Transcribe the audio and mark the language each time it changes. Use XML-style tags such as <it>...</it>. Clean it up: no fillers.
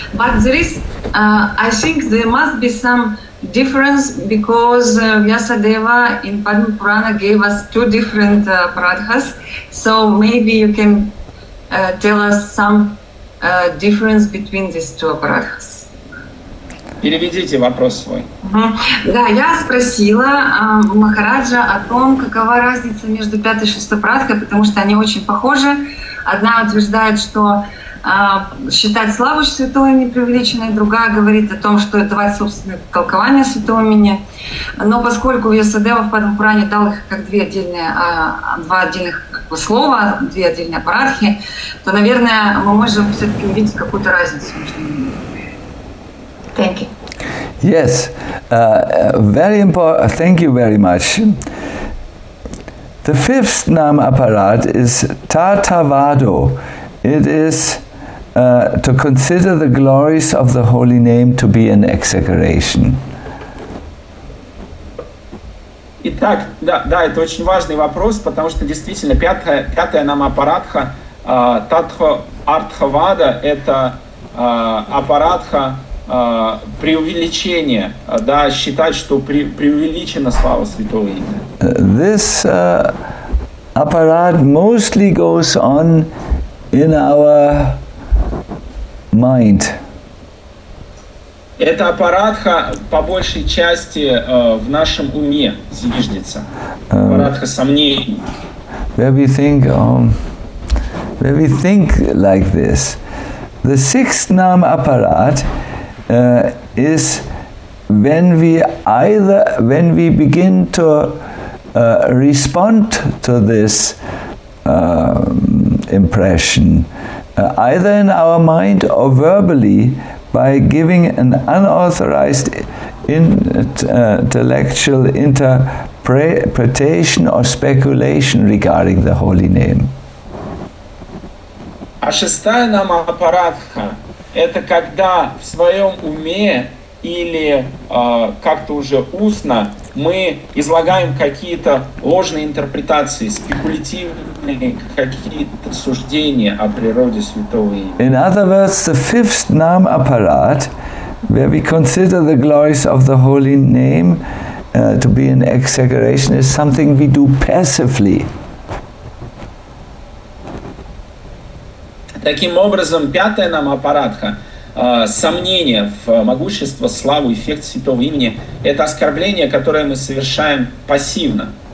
<en>But there is, I think there must be some difference, because Vyasadeva in Padma Purana gave us two different pradhas. So maybe you can tell us some difference between these two pradhas.</en> <ru>Переведите вопрос свой. Да, я спросила Махараджа о том, какова разница между пятой и шестой прадхой, потому что они очень похожи. Одна утверждает, что считать славу святого непривлеченной, другая говорит о том, что давать собственное толкование святого имени. Но поскольку Ясадева в Падмапуране дал их как две отдельные, два отдельных слова, две отдельные прадхи, то, наверное, мы можем все-таки увидеть какую-то разницу между ними.</ru> <en>Thank you. Yes, very important. Thank you very much. The fifth nama aparat is tatavado. It is to consider the glories of the holy name to be an exaggeration.</en> <ru>Итак, да, это очень важный вопрос, потому что действительно пятая нама аппаратха татха артхавада это аппаратха. Преувеличение, да, считать, что преувеличена слава святого имени.</ru> <en>This apparat mostly goes on in our mind.</en> <ru>Эта аппаратха по большей части в нашем уме зиждется. Аппаратха сомнений.</ru> <en>Where we think like this. The sixth nam aparat is when we begin to respond to this impression, either in our mind or verbally, by giving an unauthorized intellectual interpretation or speculation regarding the holy name.</en> <ru>А шестая нам аппаратха. Это когда в своем уме или как-то уже устно мы излагаем какие-то ложные интерпретации, спекулятивные какие-то суждения о природе святого имени.</ru> <en>In other words, the fifth nam apparat, where we consider the glories of the holy name to be an exaggeration, is something we do passively.</en> <ru>Таким образом, пятая нам аппаратха, сомнение в могущество, славу, эффект святого имени, это оскорбление, которое мы совершаем пассивно.</ru>